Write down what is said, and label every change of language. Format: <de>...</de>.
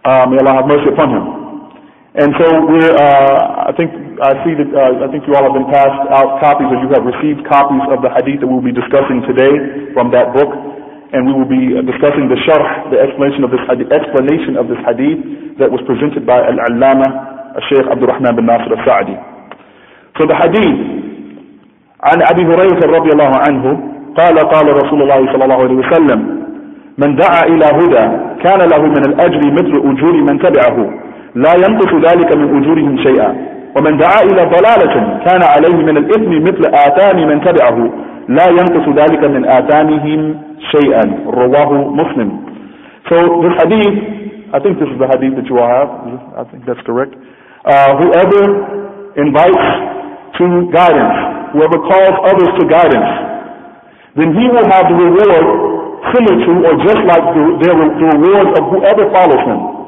<en>May Allah have mercy upon him. And so I think you all have been passed out copies, or you have received copies of the hadith that we'll be discussing today from that book. And we will be discussing the sharh, the explanation of this hadith that was presented by Al-Allama, Shaykh Abdur-Rahmaan bin Naasir As-Sa'dee. So the hadith,</en> <ar>عن أبي هريرة رضي الله عنه قال قال رسول الله صلى الله عليه وسلم من دعا إلى هدى كان له من الأجر مثل أجور من تبعه لا ينقص ذلك من أجورهم شيئا ومن دعا إلى ضلالة كان عليه من الإثم مثل آثام من تبعه لا ينقص ذلك من آثامهم شيئاً رواه مسلم.</ar> <en>So this hadith, I think this is the hadith that you all have. I think that's correct. Whoever invites to guidance, whoever calls others to guidance, then he will have the reward similar to or just like the reward of whoever follows him.</en>